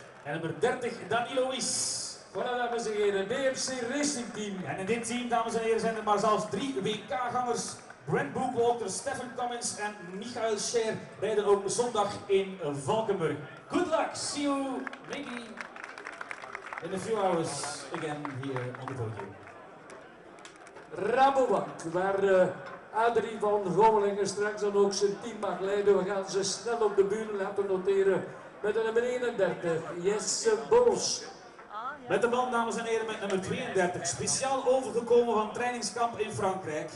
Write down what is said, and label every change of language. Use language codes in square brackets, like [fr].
[nl] En nummer 30, Danilo Wies. Voilà, dames en heren, DMC Racing Team. En in dit team, dames en heren, zijn er maar zelfs drie WK-gangers. Brent Boekwalter, Stefan Cummins en Michael Scher rijden ook zondag in Valkenburg. [en] Good luck, see you, maybe. In a few hours, again, here on the podium. [nl] Rabobank, waar Adrie van Gommelingen straks dan ook zijn team mag leiden. We gaan ze snel op de bühne laten noteren met de nummer 31, Jesse Boos. Ah, Met de band, dames en heren, met nummer 32. Speciaal overgekomen van trainingskamp in Frankrijk.